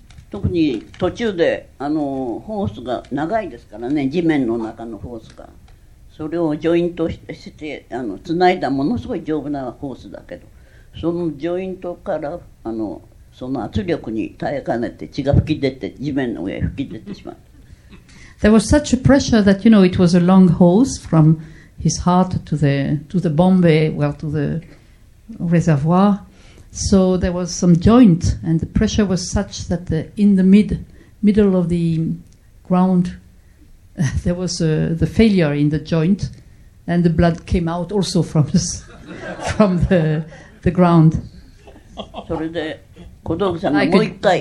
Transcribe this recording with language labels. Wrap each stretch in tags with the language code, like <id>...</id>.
<ja>特に途中であのホースが長いですからね、地面の中のホースが。それをジョイントしてあの繋いだものすごい丈夫なホースだけど、そのジョイントからあのその圧力に耐えかねて血が吹き出て地面の上に吹き出てしまった。</ja> <en>There was such a pressure that you know it was a long hose from his heart to the bombe, well to the reservoir. So there was some joint and the pressure was such that in the middle of the groundThere was the failure in the joint, and the blood came out also from the ground.</en> <ja>それで小道具さんがもう一回</ja>